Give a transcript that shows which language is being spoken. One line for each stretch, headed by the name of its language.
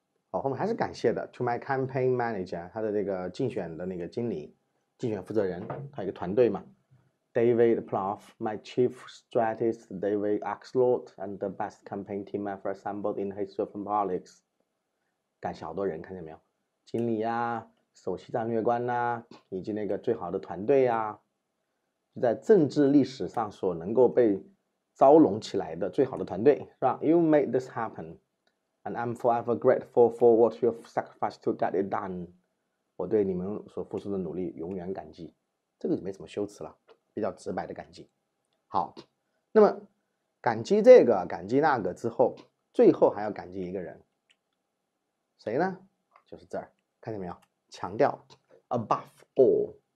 Chinese: 好，后面还是感谢的
English: to my campaign manager，
Chinese: 他的这个竞选的那个经理，竞选负责人，他有一个团队嘛，
English: David Plouf， my chief strategist David Axelrod， and the best campaign team ever assembled in history of politics。
Chinese: 感谢好多人，看见没有，经理啊，首席战略官啊，以及那个最好的团队啊，就在政治历史上所能够被招拢起来的最好的团队，是吧？
English: You made this happenAnd I'm forever grateful for what you've sacrificed to get it done。
Chinese: 我对你们所付出的努力永远感激，这个就没什么修辞了，比较直白的感激。好，那么感激这个感激那个之后，最后还要感激一个人，谁呢？就是这儿，看见没有，强调
English: above all。